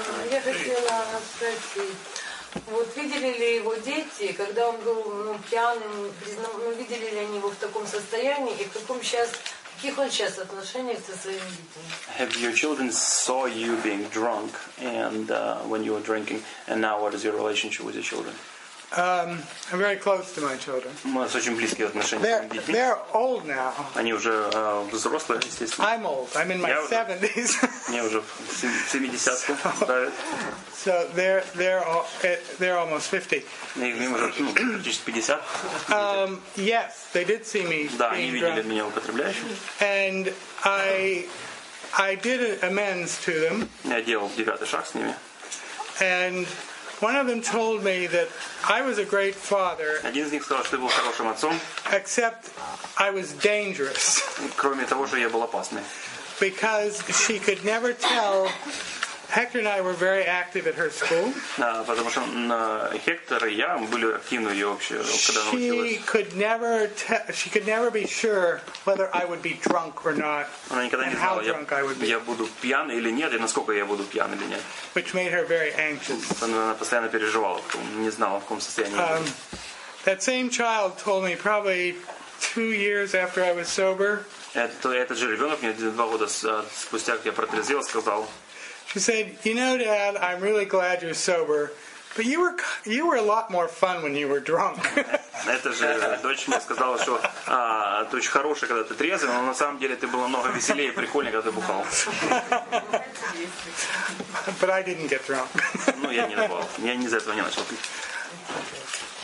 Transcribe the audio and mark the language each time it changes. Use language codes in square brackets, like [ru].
[ru] Я хотела спросить, вот видели ли его дети, когда он был пьяным, видели ли они его в таком состоянии и в каком сейчас, каких он сейчас отношениях со своими детьми? [en] Have your children saw you being drunk and when you were drinking, and now what is your relationship with your children? I'm very close to my children. [ru] Мы с очень близкие отношения с моими детьми. [en] They're old now. [ru] Они уже взрослые, естественно. [en] I'm old. I'm in my 70s. [ru] Мне уже 70-ку ставят. [en] So they're almost 50. [ru] Им уже практически 50. [en] Yes, they did see me. [ru] Да, они видели меня употребляющим. [en] And I did amends to them. [ru] Я делал девятый шаг с ними. [en] And one of them told me that I was a great father. [ru] Один из них сказал, что я был хорошим отцом. [en] Except I was dangerous. [ru] Кроме того, что я был опасный. [en] Because she could never tell. Hector and I were very active at her school. [ru] Потому что Хектор и я были активны в её общей, когда она училась. [en] She could never be sure whether I would be drunk or not. [ru] Она никогда не знала, я буду пьян или нет, и насколько я буду пьян или нет. [en] Which made her very anxious. [ru] Она постоянно переживала, не знала, в каком состоянии. [en] That same child told me probably 2 years after I was sober. [ru] Этот же ребёнок мне 2 года спустя, как я протрезвел, сказал. [en] She said, "You know, Dad, I'm really glad you're sober, but you were a lot more fun when you were drunk." [ru] Это же дочь мне сказала, что ты очень хороший, когда ты трезвый, но на самом деле ты был намного веселее и прикольнее, когда ты бухал. [en] But I didn't get drunk. [ru] Ну, я не напивал. Я не из-за этого не начал пить.